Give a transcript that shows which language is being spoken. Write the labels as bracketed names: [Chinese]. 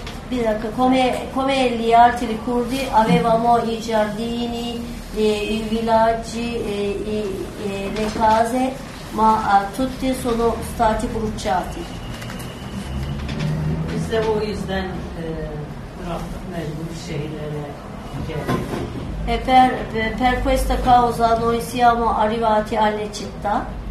[Turkish] Bir dakika, [Italian] come gli altri curdi avevamo i giardini, i villaggi, le case, ma tutti sono stati bruciati. [Turkish] Biz de o yüzden bıraktık mecbur şeylere. [Italian] Per questa causa noi siamo arrivati alle città.